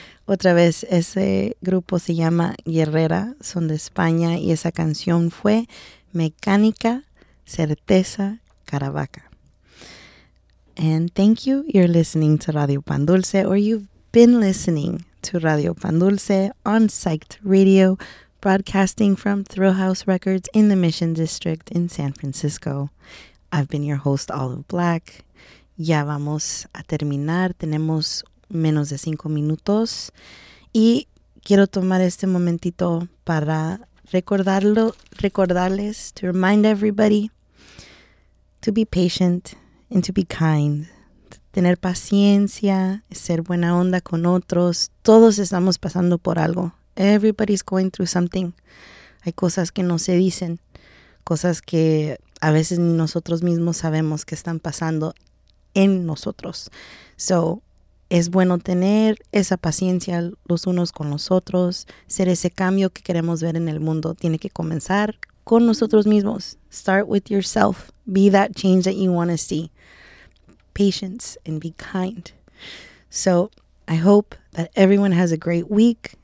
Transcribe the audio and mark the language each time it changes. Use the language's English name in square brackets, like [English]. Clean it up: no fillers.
[Spanish] Otra vez, ese grupo se llama Guerrera, son de España, y esa canción fue Mecánica, Certeza, Caravaca. [English] And thank you, you're listening to Radio Pan Dulce, or you've been listening to Radio Pan Dulce on Psyched Radio, broadcasting from Thrill House Records in the Mission District in San Francisco. I've been your host, Olive Black. [Spanish] Ya vamos a terminar, tenemos menos de 5 minutos. Y quiero tomar este momentito para recordarles, [English] to remind everybody to be patient and to be kind. [Spanish] Tener paciencia, ser buena onda con otros. Todos estamos pasando por algo. [English] Everybody's going through something. [Spanish] Hay cosas que no se dicen, cosas que a veces ni nosotros mismos sabemos que están pasando en nosotros. So, es bueno tener esa paciencia los unos con los otros, ser ese cambio que queremos ver en el mundo. Tiene que comenzar con nosotros mismos. [English] Start with yourself. Be that change that you want to see. Patience and be kind. So, I hope that everyone has a great week.